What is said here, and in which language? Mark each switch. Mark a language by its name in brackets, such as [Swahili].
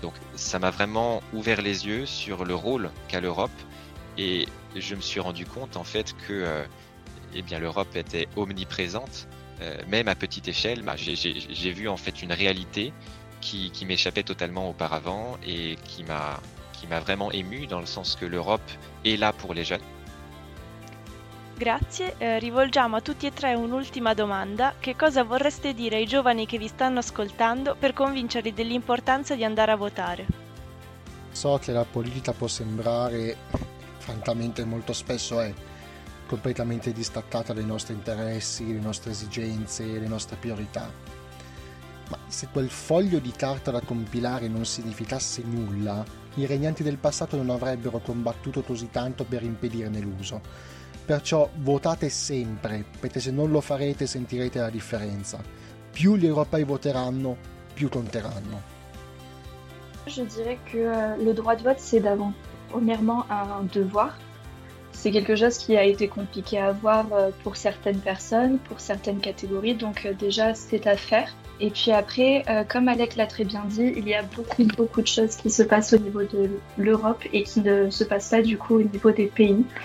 [French] Donc ça m'a vraiment ouvert les yeux sur le rôle qu'a l'Europe et je me suis rendu compte en fait que l'Europe était omniprésente, même à petite échelle. Bah, j'ai vu en fait une réalité qui m'échappait totalement auparavant et qui m'a vraiment ému dans le sens que l'Europe est là pour les jeunes. [Italian] Grazie, rivolgiamo a tutti e tre un'ultima domanda. Che cosa vorreste dire ai giovani che vi stanno ascoltando per convincerli dell'importanza di andare a votare? So che la politica può sembrare, francamente molto spesso è, completamente distaccata dai nostri interessi, le nostre esigenze, le nostre priorità. Ma se quel foglio di carta da compilare non significasse nulla, i regnanti del passato non avrebbero combattuto così tanto per impedirne l'uso. Perciò votate sempre, perché se non lo farete sentirete la differenza. Più gli europei voteranno, più conteranno. [French] Je dirais que le droit de vote, c'est d'avant, premièrement, un devoir. C'est quelque chose qui a été compliqué à avoir pour certaines personnes, pour certaines catégories, donc déjà, c'est à faire. Et puis après, comme Alec l'a très bien dit, il y a beaucoup, beaucoup de choses qui se passent au niveau de l'Europe et qui ne se passent pas du coup au niveau des pays.